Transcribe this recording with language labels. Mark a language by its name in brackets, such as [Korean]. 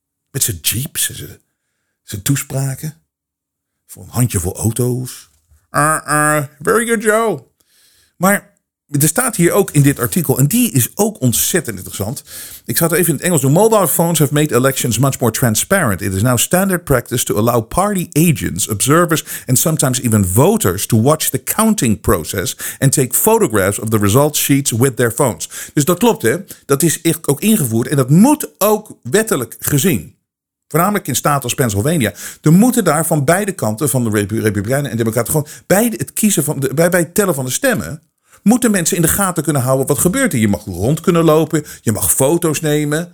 [Dutch] Met zijn jeeps en zijn toespraken. Voor een handjevol auto's. [English] Very good, Joe. [Dutch] Maar er staat hier ook in dit artikel, en die is ook ontzettend interessant. Ik zat even in het Engels. [English] Mobile phones have made elections much more transparent. It is now standard practice to allow party agents, observers, and sometimes even voters to watch the counting process and take photographs of the results sheets with their phones. [Dutch] Dus dat klopt, hè? Dat is echt ook ingevoerd en dat moet ook wettelijk gezien. Voornamelijk in staten als Pennsylvania. Er moeten daar van beide kanten, van de Republikeinen en Democraten, gewoon bij het tellen van de stemmen, moeten mensen in de gaten kunnen houden wat gebeurt er. Je mag rond kunnen lopen, je mag foto's nemen.